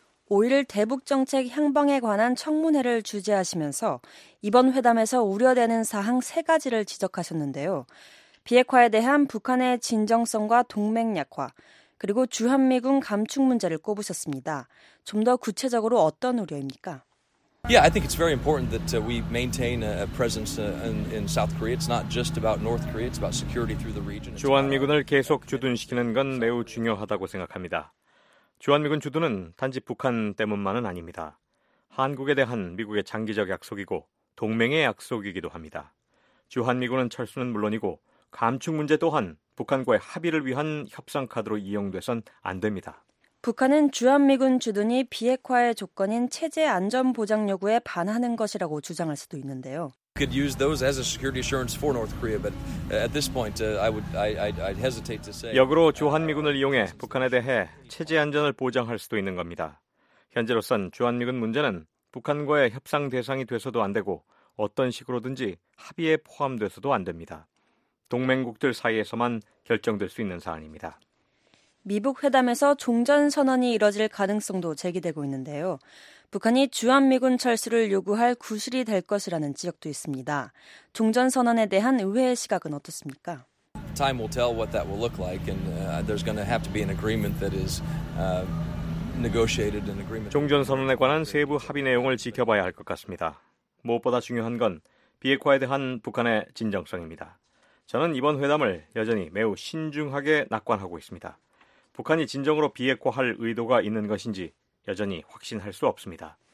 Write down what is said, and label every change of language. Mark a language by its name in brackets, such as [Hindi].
[Korean] 5.1 대북정책 향방에 관한 청문회를 주재하시면서 이번 회담에서 우려되는 사항 3가지를 지적하셨는데요. 비핵화에 대한 북한의 진정성과 동맹 약화, 그리고 주한미군 감축 문제를 꼽으셨습니다. 좀 더 구체적으로 어떤 우려입니까? [English] Yeah, I think it's very important that we maintain a presence in South Korea. It's not just about North Korea. It's about security through the region. [Korean] 주한미군을 계속 주둔시키는 건 매우 중요하다고 생각합니다. 주한미군 주둔은 단지 북한 때문만은 아닙니다. 한국에 대한 미국의 장기적 약속이고 동맹의 약속이기도 합니다. 주한미군은 철수는 물론이고 감축 문제 또한 북한과의 합의를 위한 협상 카드로 이용돼선 안 됩니다. 북한은 주한미군 주둔이 비핵화의 조건인 체제 안전 보장 요구에 반하는 것이라고 주장할 수도 있는데요. [English] Could use those as a security assurance for North Korea, but at this point, I'd hesitate to say. [Korean] 역으로 주한미군을 이용해 북한에 대해 체제 안전을 보장할 수도 있는 겁니다. 현재로선 주한미군 문제는 북한과의 협상 대상이 돼서도 안 되고 어떤 식으로든지 합의에 포함돼서도 안 됩니다. 동맹국들 사이에서만 결정될 수 있는 사안입니다. 미북 회담에서 종전선언이 이뤄질 가능성도 제기되고 있는데요. 북한이 주한미군 철수를 요구할 구실이 될 것이라는 지적도 있습니다. 종전선언에 대한 의회의 시각은 어떻습니까? [English] Time will tell what that will look like and there's going to have to be an agreement that is negotiated an agreement. [Korean] 종전선언에 관한 세부 합의 내용을 지켜봐야 할 것 같습니다. 무엇보다 중요한 건 비핵화에 대한 북한의 진정성입니다. 저는 이번 회담을 여전히 매우 신중하게 낙관하고 있습니다. 북한이 진정으로 비핵화할 의도가 있는 것인지 여전히 확신할 수 없습니다.